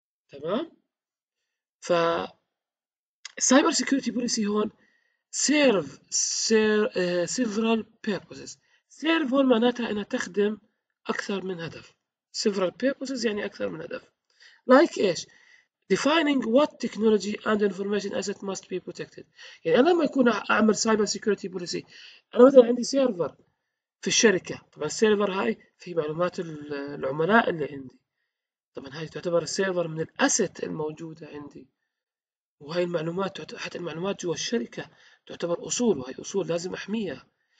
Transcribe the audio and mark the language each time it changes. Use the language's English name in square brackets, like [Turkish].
[Arabic] تمام، ف السايبر سيكيورتي بوليسي هون سيرف سيفرال بيربوزز. سيرف هون معناتها انها تخدم اكثر من هدف، several purposes يعني اكثر من هدف. [English] like ايش؟ defining what technology and information asset must be protected. [Arabic] يعني انا لما اكون اعمل سايبر سيكيورتي بوليسي، انا مثلا عندي سيرفر في الشركه، طبعا السيرفر هاي في معلومات العملاء اللي عندي، طبعا هاي تعتبر السيرفر من الاسيت الموجوده عندي، وهي المعلومات حتى المعلومات جوا الشركه تعتبر اصول، وهي اصول لازم احميها.